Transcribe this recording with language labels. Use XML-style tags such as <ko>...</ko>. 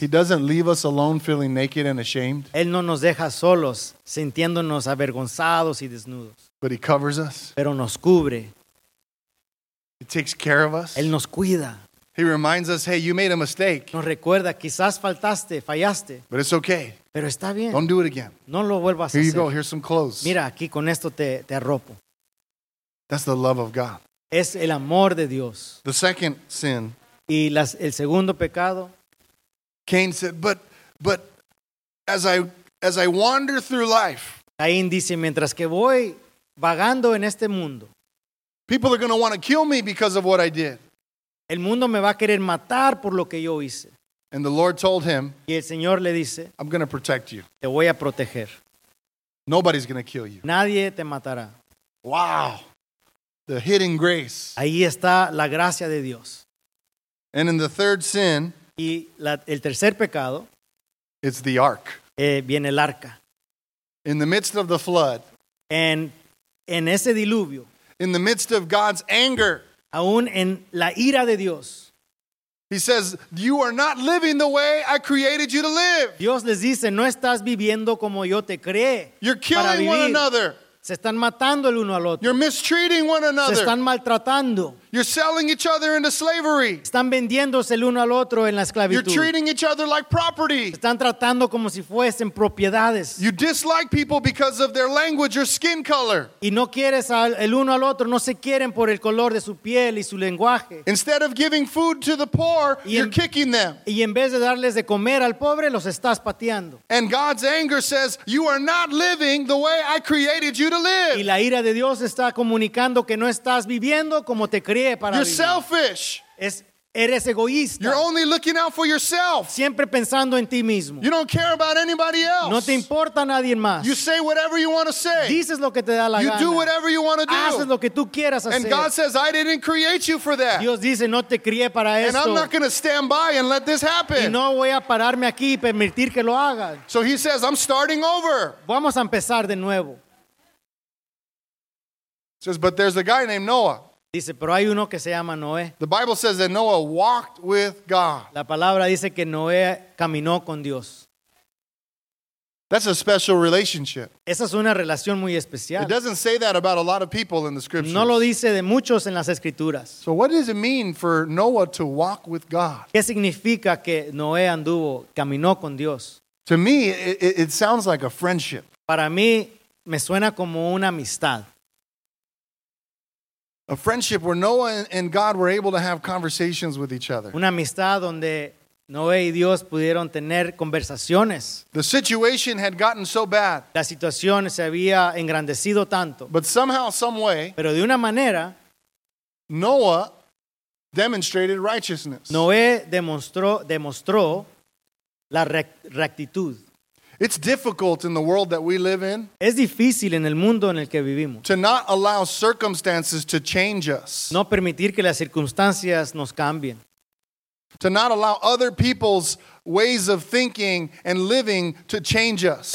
<en>he doesn't leave us alone feeling naked and ashamed.</en> <es>Él no nos deja solos sintiéndonos avergonzados y desnudos.</es> <en>But he covers us.</en> <es>Pero nos cubre.</es> <en>He takes care of us.</en> <es>Él nos cuida.</es> <en>He reminds us, hey, you made a mistake.</en> <es>Nos recuerda, quizás faltaste, fallaste.</es> <en>But it's okay.</en> <es>Pero está bien.</es> <en>Don't do it again.</en> <es>No lo vuelvas a hacer.</es> <en>Here you go, here's some clothes.</en> <es>Mira, aquí con esto te arropo.</es> <en>That's the love of God.</en> <es>Es el amor de Dios.</es> <en>The second sin.</en> <es>Y el segundo pecado.</es> <en>Cain said, but as I wander through life.</en> <es>Caín dice, mientras que voy vagando en este mundo.</es> <en>People are going to want to kill me because of what I did.</en> <es>El mundo me va a querer matar por lo que yo hice.</es> <en>And the Lord told him,</en> <es>y el Señor le dice,</es> <en>I'm going to protect you.</en> <es>Te voy a proteger.</es> <en>Nobody's going to kill you.</en> <es>Nadie te matará.</es> <en>Wow. The hidden grace.</en> <es>Ahí está la gracia de Dios.</es> <en>And in the third sin,</en> <es>y el tercer pecado,</es> <en>it's the ark.</en> <es>Viene el arca.</es> <en>In the midst of the flood,</en> <es>en ese diluvio,</es> <en>in the midst of God's anger,</en> <es>aún en la ira de Dios,</es> <en>he says, "You are not living the way I created you to live."</en> <es>Dios les dice, "No estás viviendo como yo te creé."</es> <en>You're killing one another.</en> <es>Se están matando el uno al otro.</es> <en>You're mistreating one another.</en> <es>Se están maltratando.</es> <en>You're selling each other into slavery.</en> <es>Están vendiéndose el uno al otro en la esclavitud.</es> <en>You're treating each other like property.</en> <es>Están tratando como si fuesen propiedades.</es> <en>You dislike people because of their language or skin color.</en> <es>Y no quieres el uno al otro, no se quieren por el color de su piel y su lenguaje.</es> <en>Instead of giving food to the poor, you're kicking them.</en> <es>Y en vez de darles de comer al pobre, los estás pateando.</es> <en>And God's anger says, "You are not living the way I created you to live."</en> <es>Y la ira de Dios está comunicando que no estás viviendo como te</es> <en>Selfish.</en> <es>Eres egoísta.</es> <en>You're only looking out for yourself.</en> <es>Siempre pensando en ti mismo.</es> <en>You don't care about anybody else.</en> <es>No te importa nadie más.</es> <en>You say whatever you want to say.</en> <es>Dices lo que te da la you gana.</es> <en>Do whatever you want to do.</en> <es>Haces lo que tú quieras hacer.</es> <en>And God says, I didn't create you for that.</en> <es>Dios dice, no te crié para and esto.</es> <en>I'm not going to stand by and let this happen.</en> <es>Y no voy a pararme aquí y permitir que lo hagan.</es> <en>So he says, I'm starting over.</en> <es>Vamos a empezar de nuevo.</es> <en>He says, but there's a guy named Noah.</en> <es>Dice, pero hay uno que se llama Noé.</es> <en>The Bible says that Noah walked with God.</en> <es>La palabra dice que Noé caminó con Dios.</es> <en>That's a special relationship.</en> <es>Esa es una relación muy especial.</es> <en>It doesn't say that about a lot of people in the scriptures.</en> <es>No lo dice de muchos en las escrituras.</es> <en>So what does it mean for Noah to walk with God?</en> <es>¿Qué significa que Noé anduvo, caminó con Dios?</es> <en>To me, it sounds like a friendship.</en> <es>Para mí, me suena como una amistad.</es> <en>A friendship where Noah and God were able to have conversations with each other.</en> <es>Una amistad donde Noé y Dios pudieron tener conversaciones.</es> <en>The situation had gotten so bad.</en> <es>La situación se había engrandecido tanto.</es> <en>But somehow, some way,</en> <es>pero de una manera,</es> <en>Noah demonstrated righteousness.</en> <es>Noé demostró la rectitud.</es> <en>It's difficult in the world that we live in.</en> <es>Es difícil en el mundo en el que vivimos.</es> <en>To not allow circumstances to change us.</en> <es>No permitir que las circunstancias nos cambien.</es> <en>To not allow other people's ways of thinking and living to change us.</en>